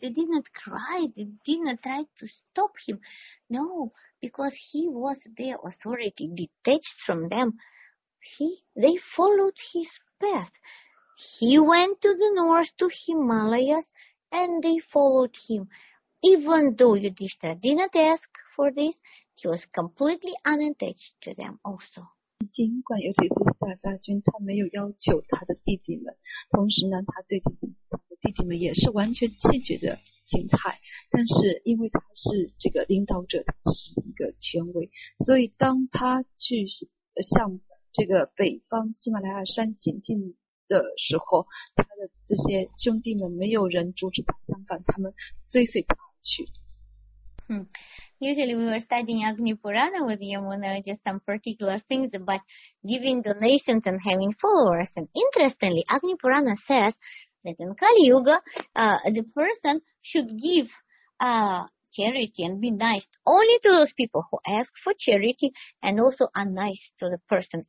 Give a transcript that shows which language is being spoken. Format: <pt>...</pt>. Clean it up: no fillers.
<en>They did not cry. They did not try to stop him. No, because he was their authority, detached from them. They followed his path. He went to the north, to Himalayas, and they followed him. Even though Yudhishthira did not ask for this, he was completely unattached to them also.</en> <zh>尽管尤迪斯塔大军他没有要求他的弟弟们，同时呢，他对他的弟弟们也是完全拒绝的形态。但是因为他是这个领导者，他是一个权威，所以当他去向这个北方喜马拉雅山行进的时候，他的这些兄弟们没有人阻止他，相反，他们追随他而去。</zh> <en>Usually we were studying Agni Purana with Yamuna, just some particular things about giving donations and having followers. And interestingly, Agni Purana says that in Kali Yuga, the person should give charity and be nice only to those people who ask for charity and also are nice to the person.</en>